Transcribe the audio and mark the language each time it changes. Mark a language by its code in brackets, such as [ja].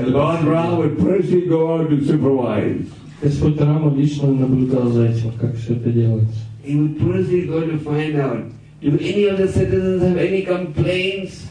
[en] And Lord Rama would personally go out to supervise. [ru] Господь Рама лично наблюдал за этим, как все это делается. [en] He would personally go to find out, do any of the citizens have any complaints?